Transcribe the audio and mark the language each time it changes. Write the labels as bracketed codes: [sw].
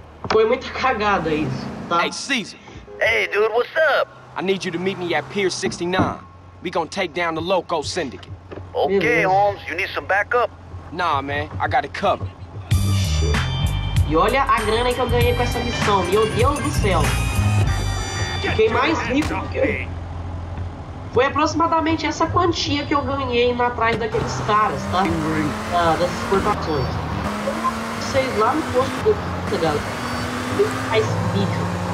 [pt] Foi muita cagada isso, tá? [en] Hey, Caesar. Hey, dude, what's up? I need you to meet me at Pier 69. We gonna take down the Loco Syndicate. Okay, Holmes, you need some backup? Nah, man, I got it covered. [pt] E olha a grana que eu ganhei com essa missão. Meu Deus do céu. Fiquei mais rico que eu... Foi aproximadamente essa quantia que eu ganhei indo atrás daqueles caras, tá? Dessas corporações. Vocês lá no posto do... Puta, galera. Mais rico.